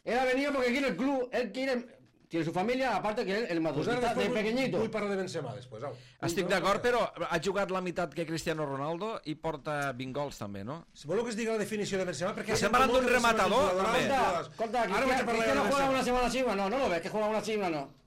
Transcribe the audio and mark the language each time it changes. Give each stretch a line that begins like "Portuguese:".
Spanish: Era venido porque aquí en el club, él quiere... Tiene su familia, aparte que el madridista de pequeñito.
Catalan: Vull parlar de Benzema després. Estic d'acord, però ha jugat la meitat que Cristiano Ronaldo i porta 20 gols també, no? Si voleu que es digui la definició de Benzema... Estem parlant d'un rematador, també.
Spanish: Escolta, Cristiano juega una semana sí, no lo ves, que juega una semana no.